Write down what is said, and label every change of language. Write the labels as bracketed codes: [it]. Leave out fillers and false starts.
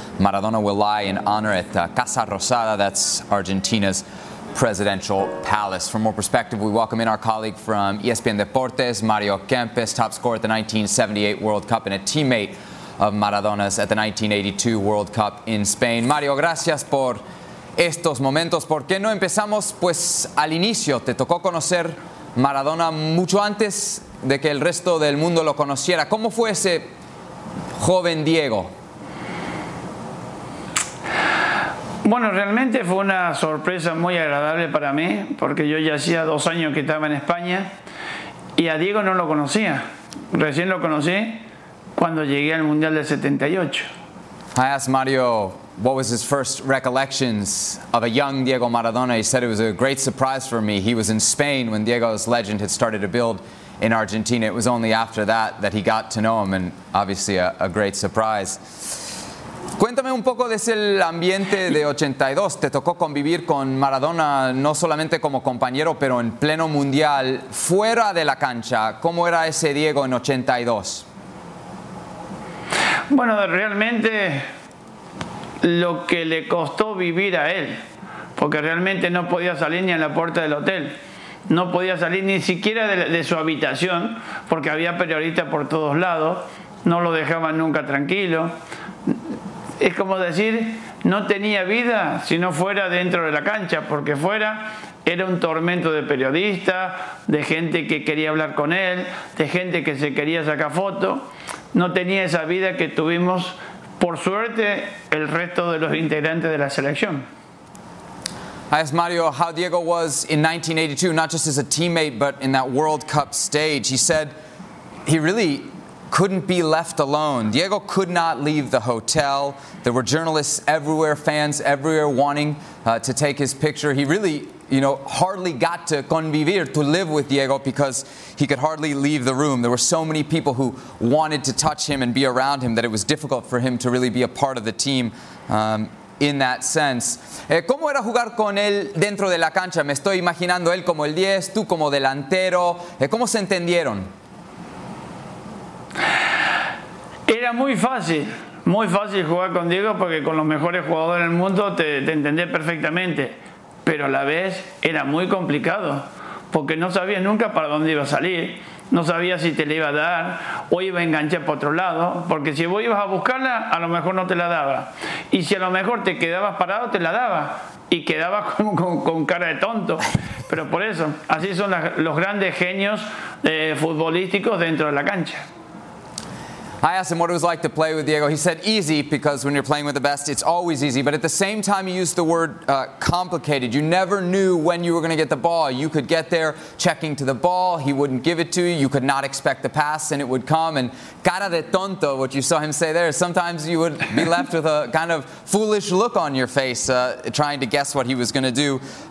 [en] Maradona will lie in honor at Casa Rosada. That's Argentina's presidential palace. For more perspective, we welcome in our colleague from ESPN Deportes, Mario Kempes, top scorer at the 1978 World Cup and a teammate of Maradona's at the 1982 World Cup in Spain. [es] Mario, gracias por estos momentos. ¿Por qué no empezamos pues al inicio? Te tocó conocer Maradona mucho antes de que el resto del mundo lo conociera. ¿Cómo fue ese joven Diego? Bueno, realmente fue una sorpresa muy agradable para mí, porque yo ya hacía 2 años que estaba en España y a Diego no lo conocía. Recién lo conocí cuando llegué al Mundial del 78. [en] I asked Mario what was his first recollections of a young Diego Maradona. He said it was a great surprise for me. He was in Spain when Diego's legend had started to build in Argentina. It was only after that that he got to know him, and obviously a great surprise. [es] Cuéntame un poco de ese ambiente de 82. Te tocó convivir con Maradona no solamente como compañero, pero en pleno mundial, fuera de la cancha. ¿Cómo era ese Diego en 82? Bueno, realmente lo que le costó vivir a él, porque realmente no podía salir ni a la puerta del hotel, no podía salir ni siquiera de su habitación, porque había periodistas por todos lados, no lo dejaban nunca tranquilo. Es como decir, no tenía vida si no fuera dentro de la cancha, porque fuera era un tormento de periodistas, de gente que quería hablar con él, de gente que se quería sacar fotos. No tenía esa vida que tuvimos, por suerte, el resto de los integrantes de la selección. [en] I asked Mario how Diego was in 1982, not just as a teammate, but in that World Cup stage. He said he really couldn't be left alone. Diego could not leave the hotel. There were journalists everywhere, fans everywhere wanting to take his picture. He really, you know, hardly got to convivir, to live with Diego, because he could hardly leave the room. There were so many people who wanted to touch him and be around him that it was difficult for him to really be a part of the team in that sense. [es] ¿Cómo era jugar con él dentro de la cancha? Me estoy imaginando él como el 10, tú como delantero. ¿Cómo se entendieron? Era muy fácil jugar con Diego, porque con los mejores jugadores del mundo te entendés perfectamente. Pero a la vez era muy complicado, porque no sabía nunca para dónde iba a salir, no sabía si te la iba a dar o iba a enganchar para otro lado, porque si vos ibas a buscarla, a lo mejor no te la daba. Y si a lo mejor te quedabas parado, te la daba y quedabas con cara de tonto. Pero por eso, así son los grandes genios futbolísticos dentro de la cancha. [en] I asked him what it was like to play with Diego. He said easy, because when you're playing with the best, it's always easy. But at the same time, he used the word complicated. You never knew when you were going to get the ball. You could get there checking to the ball. He wouldn't give it to you. You could not expect the pass, and it would come. And [es] cara de tonto, [en] what you saw him say there, sometimes you would be left with a kind of foolish look on your face trying to guess what he was going to do.